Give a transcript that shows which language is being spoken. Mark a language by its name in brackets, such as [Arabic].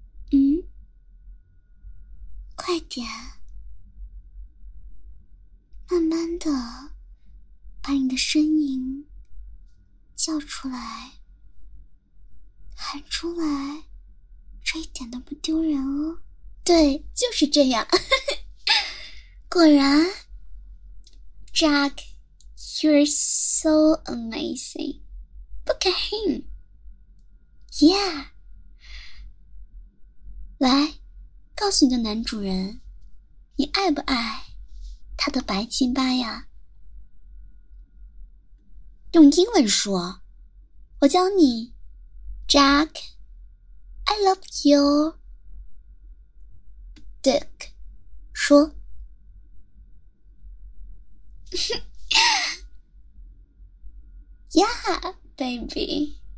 [Chinese] 嗯，快点，慢慢的把你的声音叫出来，喊出来，这一点都不丢人哦。对，就是这样。果然， [English] Jack, you're so amazing. Look at him. [Chinese] Yeah，来，告诉你的男主人，你爱不爱他的白鸡巴呀？用英文说，我教你，Jack， [English] I love your dick， [Chinese] 说，Yeah，baby。